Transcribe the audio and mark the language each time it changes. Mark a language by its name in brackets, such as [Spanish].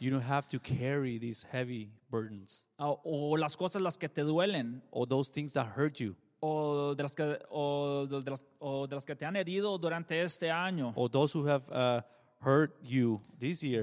[English] You don't have to carry these heavy burdens. [Spanish] O las cosas las que te duelen. [English] Or those things that hurt you. [Spanish] O de las que te han herido durante este año. [English] Or those who have hurt you this year.